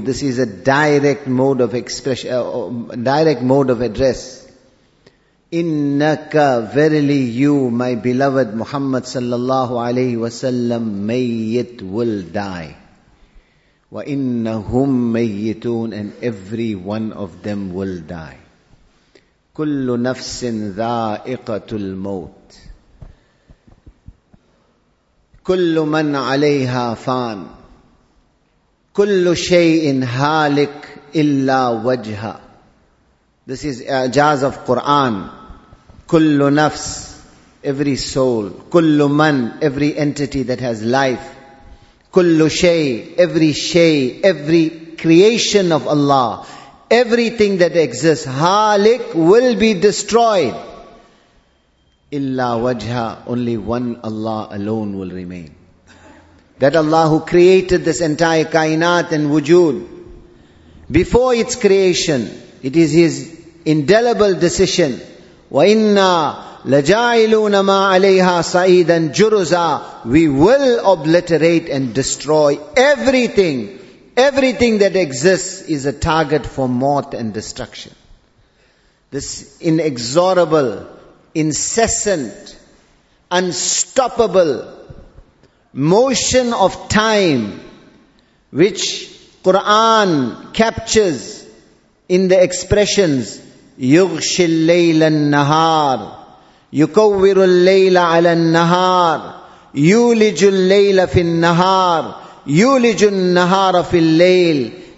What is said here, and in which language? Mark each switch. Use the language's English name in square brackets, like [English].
[English] This is a direct mode of expression, direct mode of address. [Arabic] Innaka, [English] verily you, my beloved Muhammad sallallahu alayhi wa sallam, mayyit, will die. [Arabic] Wa innahum mayyitun, [English] and every one of them will die. [Arabic] كل نفس ذائقة الموت كل من عليها فان Kullu shay'in halik illa wajha. [English] This is ijaz of Quran. [Arabic] Kullu nafs, [English] every soul. [Arabic] Kullu man, [English] every entity that has life. [Arabic] Kullu shay, [English] every creation of Allah. Everything that exists, halik, will be destroyed. [Arabic] Illa wajha, [English] only one Allah alone will remain. That Allah who created this entire kainat and wujud, before its creation, it is His indelible decision. [Arabic] وَإِنَّا لَجَعِلُونَ مَا عَلَيْهَا صَعِيدًا جُرُزًا. [English] We will obliterate and destroy everything. Everything that exists is a target for moth and destruction. This inexorable, incessant, unstoppable motion of time, which Quran captures in the expressions [Arabic] يغشي الليل النهار يكور الليل على النهار يولج الليل في النهار يولج النهار في الليل.